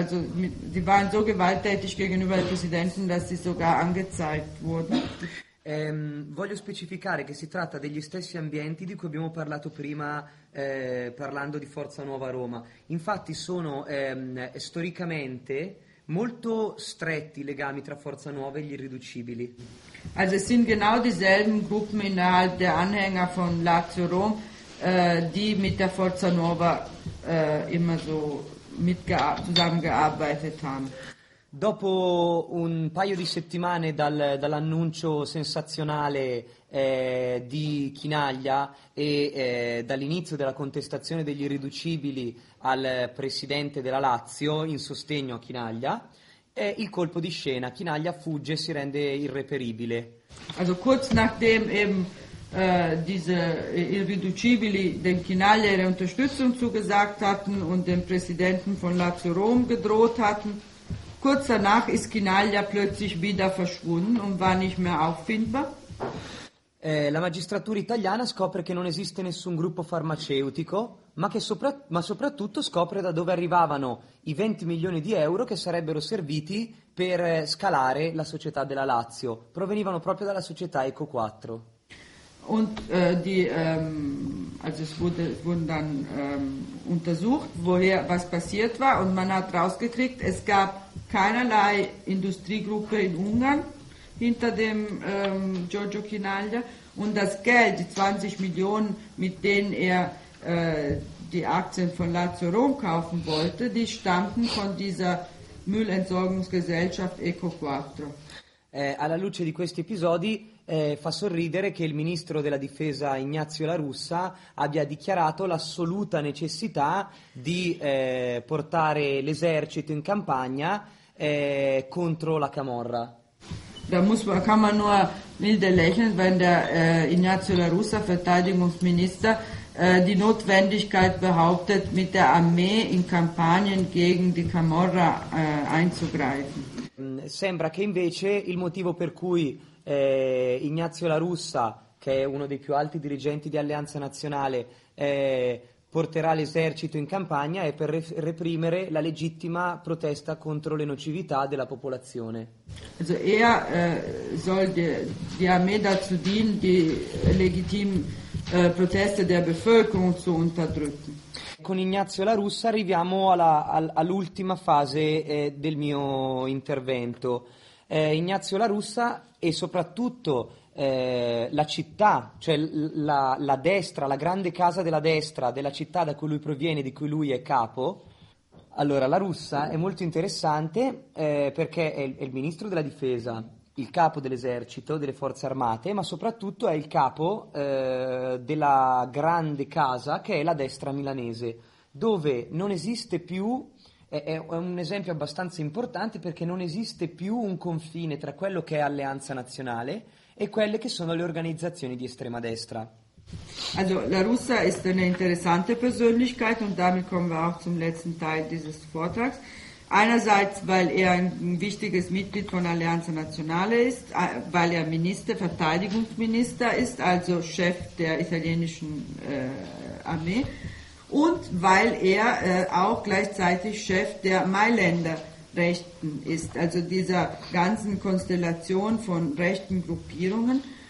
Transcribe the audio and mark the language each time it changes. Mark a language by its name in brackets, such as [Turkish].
[German] Also die waren so gewalttätig gegenüber dem Präsidenten, dass sie sogar angezeigt wurden. [Italian] Voglio specificare che si tratta degli stessi ambienti di cui abbiamo parlato prima, parlando di Forza Nuova Roma. Infatti sono storicamente molto stretti i legami tra Forza Nuova e gli Irriducibili. [German] Also es sind genau dieselben Gruppen innerhalb der Anhänger von Lazio Rom, die mit der Forza Nuova immer so zusammengearbeitet haben. [Italian] Dopo un paio di settimane dall'annuncio sensazionale di Chinaglia e dall'inizio della contestazione degli irriducibili al presidente della Lazio in sostegno a Chinaglia, il colpo di scena. Chinaglia fugge e si rende irreperibile. [German] Also kurz nachdem eben diese irriducibili den Chinaglia ihre Unterstützung zugesagt hatten und dem Präsidenten von Lazio Rom gedroht hatten, kurz danach ist Chinaglia plötzlich wieder verschwunden und war nicht mehr auffindbar. [Italian] La magistratura italiana scopre che non esiste nessun gruppo farmaceutico, ma soprattutto scopre da dove arrivavano i 20 milioni di euro che sarebbero serviti per scalare la società della Lazio. Provenivano proprio dalla società Eco 4. [German] Und also es wurden dann untersucht, woher was passiert war, und man hat rausgekriegt, es gab keinerlei Industriegruppe in Ungarn hinter dem Giorgio Chinaglia, und das Geld, die 20 Millionen, mit denen er die Aktien von Lazio Rom kaufen wollte, die stammten von dieser Müllentsorgungsgesellschaft Eco 4. [Italian] Alla luce di questi episodi fa sorridere che il ministro della difesa Ignazio La Russa abbia dichiarato l'assoluta necessità di portare l'esercito in campagna contro la Camorra. [German] Da kann man nur milde lächeln, wenn der Ignazio La Russa, Verteidigungsminister, die Notwendigkeit behauptet, mit der Armee in Campanien gegen die Camorra einzugreifen. [Italian] Sembra che invece il motivo per cui Ignazio La Russa, che è uno dei più alti dirigenti di Alleanza Nazionale, porterà l'esercito in campagna è per reprimere la legittima protesta contro le nocività della popolazione. [German] Also er soll die Armee dazu dienen, die [Italian] legittime proteste [German] der Bevölkerung zu unterdrücken. [Italian] Con Ignazio La Russa arriviamo all'ultima fase del mio intervento. Ignazio La Russa e soprattutto la città, cioè la destra, la grande casa della destra della città da cui lui proviene, di cui lui è capo. Allora, La Russa è molto interessante perché è il ministro della difesa, il capo dell'esercito, delle forze armate, ma soprattutto è il capo della grande casa che è la destra milanese, dove non esiste più, è un esempio abbastanza importante perché non esiste più un confine tra quello che è Alleanza Nazionale e quelle che sono le organizzazioni di estrema destra. [German] Also, La Russa ist eine interessante Persönlichkeit und damit kommen wir auch zum letzten Teil dieses Vortrags. Einerseits, weil er ein wichtiges Mitglied von Allianz Nazionale ist, weil er Minister, Verteidigungsminister ist, also Chef der italienischen Armee, und weil er auch gleichzeitig Chef der Mailänder-Rechten ist, also dieser ganzen Konstellation von rechten Gruppierungen,